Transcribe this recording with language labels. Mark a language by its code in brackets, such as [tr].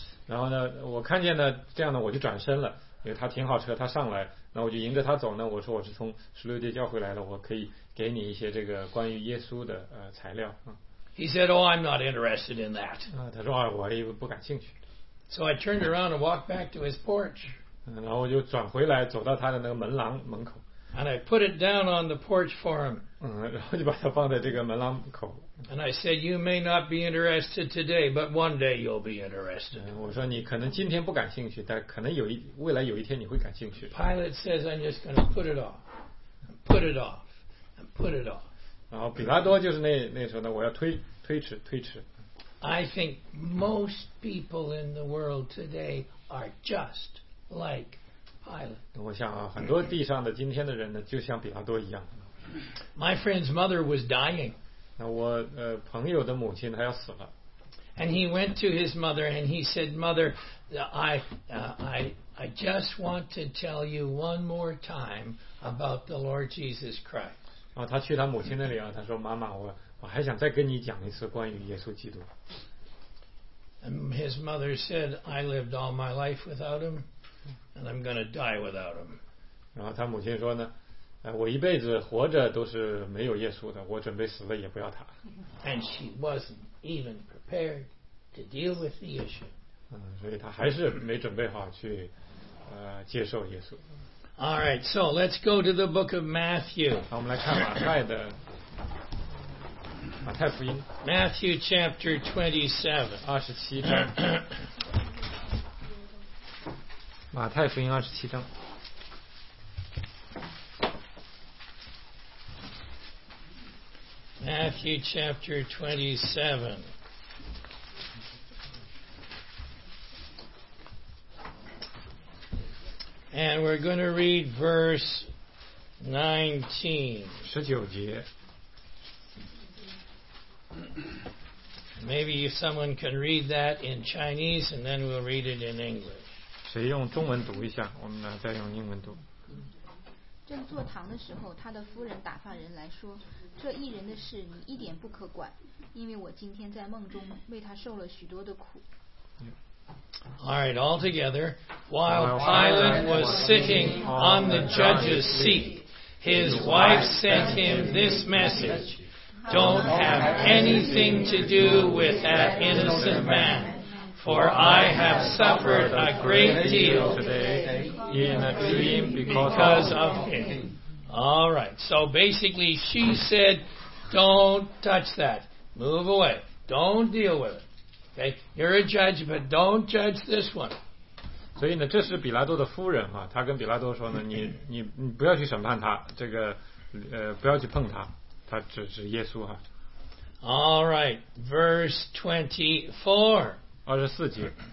[zh] 然后呢，我看见呢，这样呢，我就转身了。因为他停好车，他上来，那我就迎着他走呢。我说我是从十六街教会来的，我可以给你一些这个关于耶稣的材料。 [en] He said, "Oh, I'm not interested in that." [zh] 他说我也不感兴趣。 [en] So I turned around and walked back to his porch. [zh] 然后我就转回来，走到他的那个门廊门口。 [en] And I put it down on the porch for him. [zh] 然后就把它放在这个门廊口。 [en] And I said, "You may not be interested today, but one day you'll be interested." [zh] 我说你可能今天不感兴趣，但可能未来有一天你会感兴趣。 [en] Pilate says, "I'm just going to put it off, put it off, and put it off." [zh] 然后比拉多就是那时候呢，我要推迟。 [en] I think most people in the world today are just like Pilate. [zh] 我想很多地上的今天的人呢，就像比拉多一样。 [en] My friend's mother was dying. [zh] 那我朋友的母亲她要死了。 [en] And he went to his mother and he said, "Mother, I just want to tell you one more time about the Lord Jesus Christ." [zh] 然后他去他母亲那里啊，他说：“妈妈，我还想再跟你讲一次关于耶稣基督。 [en] ”And his mother said, "I lived all my life without him. And I'm going to die without him." [zh] 然后他母亲说呢，我一辈子活着都是没有耶稣的，我准备死了也不要他。 [en] And she wasn't even prepared to deal with the issue. [zh] 所以他还是没准备好去接受耶稣。 [en] All right, so let's go to the book of Matthew. [zh] 好，我们来看马太福音。 [en] Matthew chapter 27. [zh] 27章。马太福音二十七章。 [en] Matthew chapter 27. And we're going to read verse 19. [zh] 十九节。 [en] Maybe if someone can read that in Chinese and then we'll read it in English. [zh] 谁用中文读一下，我们再用英文读。正坐堂的时候，他的夫人打发人来说，这一人的事你一点不可管，因为我今天在梦中为他受了许多的苦。 [en] All right, all together. While Pilate was sitting on the judge's seat, his wife sent him this message, "Don't have anything to do with that innocent man. For I have suffered a great deal today in a dream because of him." All right. So basically, she said, "Don't touch that. Move away. Don't deal with it. Okay? You're a judge, but don't judge this one." [zh] 所以呢，这是比拉多的夫人啊，她跟比拉多说呢，你不要去审判他，这个不要去碰他，他指耶稣哈。 [en] All right. Verse 24. [zh] 24节